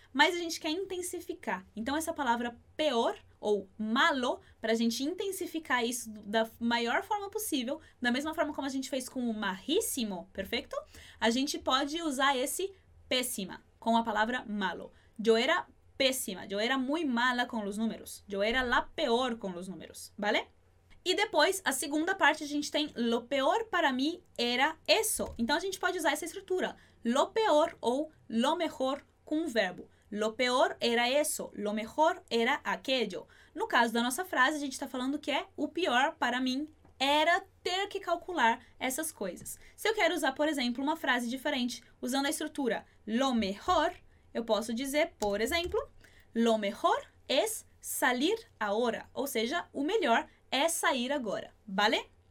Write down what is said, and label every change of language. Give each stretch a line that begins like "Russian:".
Portuguese: Mas a gente quer intensificar. Então, essa palavra peor ou malo, para a gente intensificar isso da maior forma possível, da mesma forma como a gente fez com o marríssimo, perfeito? A gente pode usar esse péssima com a palavra malo.
Spanish: Yo era péssima, yo era muy mala con los números, yo era la peor con los números, ¿vale?
Portuguese: E depois, a segunda parte, a gente tem
Spanish: lo peor para mí era eso.
Portuguese: Então, a gente pode usar essa estrutura, lo peor ou lo mejor com o verbo.
Spanish: Lo peor era eso, lo mejor era aquello.
Portuguese: No caso da nossa frase, a gente está falando que é o pior para mim era ter que calcular essas coisas. Se eu quero usar, por exemplo, uma frase diferente usando a estrutura lo mejor, eu posso dizer, por exemplo,
Spanish: lo mejor es salir ahora,
Portuguese: ou seja, o melhor é sair agora, vale?